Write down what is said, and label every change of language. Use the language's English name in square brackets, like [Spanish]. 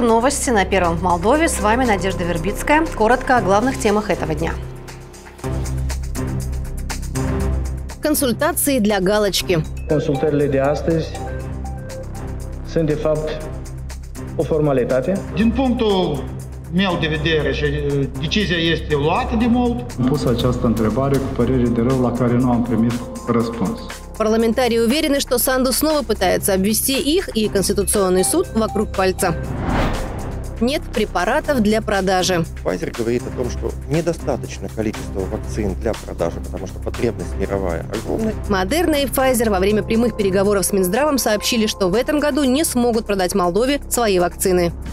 [Russian] Новости на Первом в Молдове. С вами Надежда Вербицкая. Коротко о главных темах этого дня. Консультации для галочки. Консультации для галочки. [Romanian] Sunt, de fapt, o formalitate. Din punctul meu de vedere, decizia este luată de mult. Am pus această întrebare cu părere de rău la care nu am primit răspuns. [Russian] Парламентарии уверены, что Санду снова пытается обвести их и Конституционный суд вокруг пальца. Нет препаратов для продажи. Pfizer говорит о том, что недостаточно количества вакцин для продажи, потому что потребность мировая огромная. Moderna и Pfizer во время прямых переговоров с Минздравом сообщили, что в этом году не смогут продать Молдове свои вакцины.